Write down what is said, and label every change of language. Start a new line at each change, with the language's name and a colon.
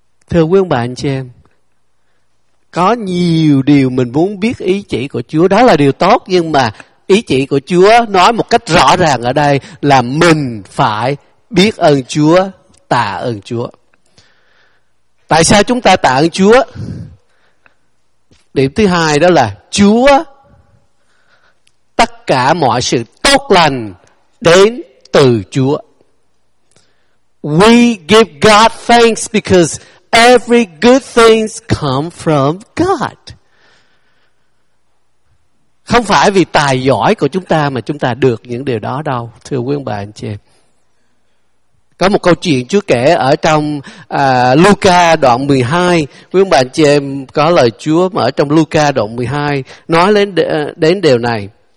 Vietnamese: Thưa quý ông bà anh chị em, có nhiều điều mình muốn biết ý chỉ của Chúa, đó là điều tốt, nhưng mà ý chỉ của Chúa nói một cách rõ ràng ở đây là mình phải biết ơn Chúa, tạ ơn Chúa. Tại sao chúng ta tạ ơn Chúa? Điểm thứ hai đó là Chúa, tất cả mọi sự tốt lành đến từ Chúa.
English: We give God thanks because every good things come from God.
Vietnamese: Không phải vì tài giỏi của chúng ta mà chúng ta được những điều đó đâu, thưa quý ông bà anh chị. Có một câu chuyện Chúa kể ở trong Luca đoạn 12. Quý ông bà anh chị em có lời Chúa mà ở trong Luca đoạn 12 nói đến điều này.